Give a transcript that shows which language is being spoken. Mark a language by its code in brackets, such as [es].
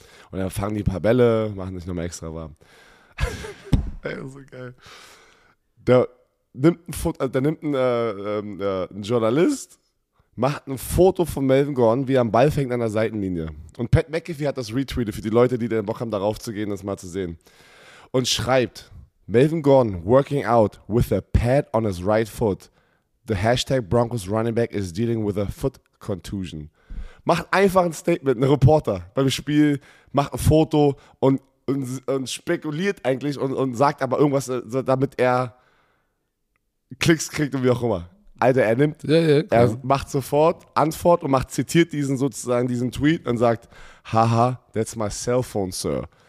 [de] Und dann fangen die paar Bälle, machen sich nochmal extra warm. Ey, so geil. Da nimmt ein Journalist, macht ein Foto von Melvin Gordon, wie er am Ball fängt an der Seitenlinie. Und Pat McAfee hat das retweetet für die Leute, die den Bock haben, darauf zu gehen, das mal zu sehen. Und schreibt, [en] Melvin Gordon working out with a pad on his right foot. The hashtag Broncos running back is dealing with a foot contusion. [de] Macht einfach ein Statement, ein Reporter beim Spiel, macht ein Foto und spekuliert eigentlich und sagt aber irgendwas, damit er Klicks kriegt und wie auch immer. Alter, er nimmt, er macht sofort Antwort und zitiert diesen Tweet und sagt, haha, [en] that's my cell phone, sir.